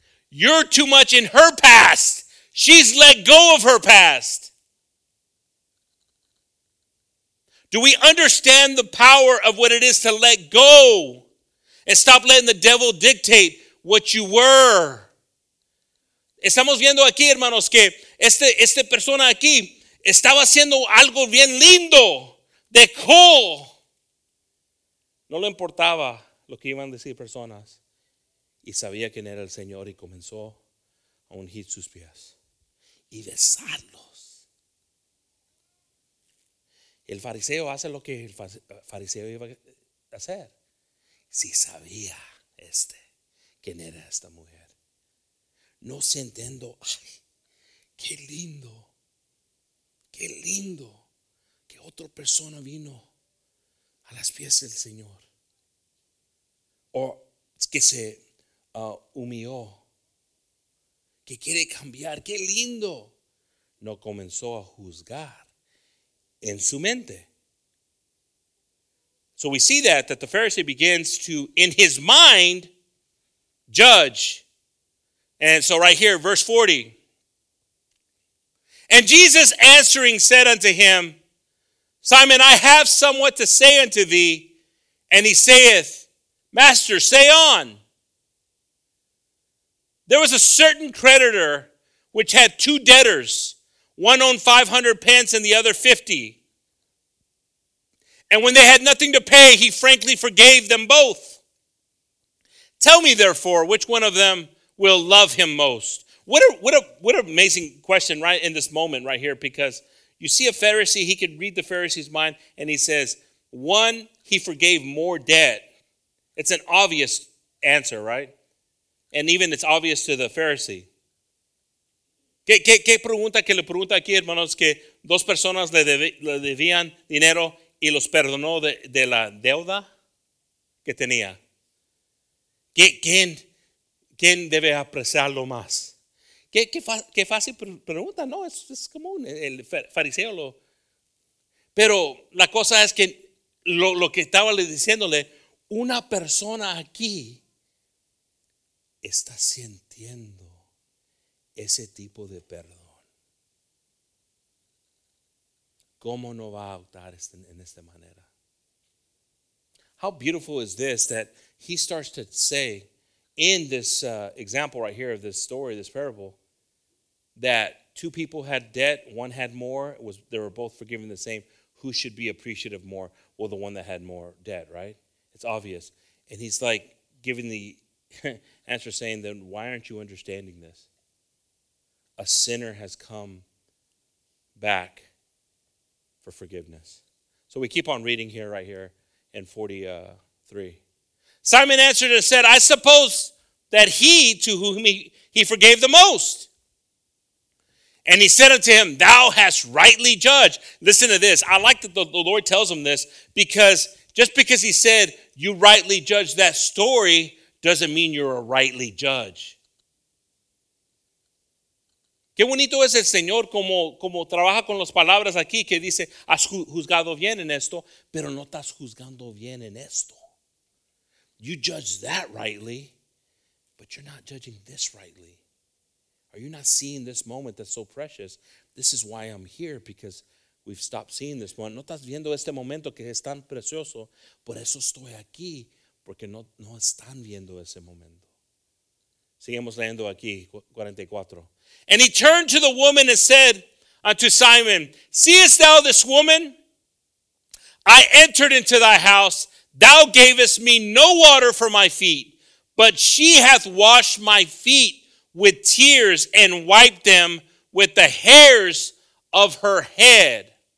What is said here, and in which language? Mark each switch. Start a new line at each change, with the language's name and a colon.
English: You're too much in her past. She's let go of her past. Do we understand the power of what it is to let go and stop letting the devil dictate what you were?
Spanish: Estamos viendo aquí, hermanos, que esta persona aquí estaba haciendo algo bien lindo, de cool. No le importaba lo que iban a decir personas. Y sabía quién era el Señor y comenzó a ungir sus pies y besarlos. El fariseo hace lo que el fariseo iba a hacer. Si sabía quién era esta mujer. no sintiendo, ay, qué lindo, qué lindo que otra persona vino a las pies del Señor, o que se humilló, que quiere cambiar, qué lindo. No comenzó a juzgar en su mente.
English: So we see that the Pharisee begins to, in his mind, judge. And so right here, verse 40. And Jesus answering said unto him, Simon, I have somewhat to say unto thee. And he saith, Master, say on. There was a certain creditor which had two debtors. One owned 500 pence and the other 50. And when they had nothing to pay, he frankly forgave them both. Tell me, therefore, which one of them will love him most? What an amazing question right in this moment right here, because you see a Pharisee, he could read the Pharisee's mind, and he says, one, he forgave more debt. It's an obvious answer, right? And even it's obvious to the Pharisee.
Spanish: ¿Qué pregunta que le pregunta aquí, hermanos, que dos personas le debían dinero y los perdonó de la deuda que tenía? ¿Quién debe apreciarlo más? ¿Qué fácil pregunta? No, es común, el fariseo lo... Pero la cosa es que lo que estaba diciéndole, una persona aquí está sintiendo ese tipo de perdón. ¿Cómo no va a optar en esta manera?
English: How beautiful is this that he starts to say in this example right here of this story, this parable, that two people had debt, one had more, they were both forgiven the same. Who should be appreciative more? Well, the one that had more debt, right? It's obvious. And he's like giving the answer saying, then why aren't you understanding this? A sinner has come back for forgiveness. So we keep on reading here, right here, in 43. Simon answered and said, I suppose that he to whom he forgave the most. And he said unto him, thou hast rightly judged. Listen to this. I like that the Lord tells him this, because just because he said, you rightly judged that story, doesn't mean you're a rightly judge.
Spanish: Qué bonito es el Señor como trabaja con las palabras aquí, que dice, has juzgado bien en esto, pero no estás juzgando bien en esto.
English: You judge that rightly, but you're not judging this rightly. Are you not seeing this moment that's so precious? This is why I'm here, because we've stopped seeing this moment.
Spanish: No estás viendo este momento que es tan precioso, por eso estoy aquí, porque no están viendo ese momento. Seguimos leyendo aquí, 44.
English: And he turned to the woman and said unto Simon, seest thou this woman? I entered into thy house. Thou gavest me no water for my feet, but she hath washed my feet with tears and wiped them with the hairs of her head.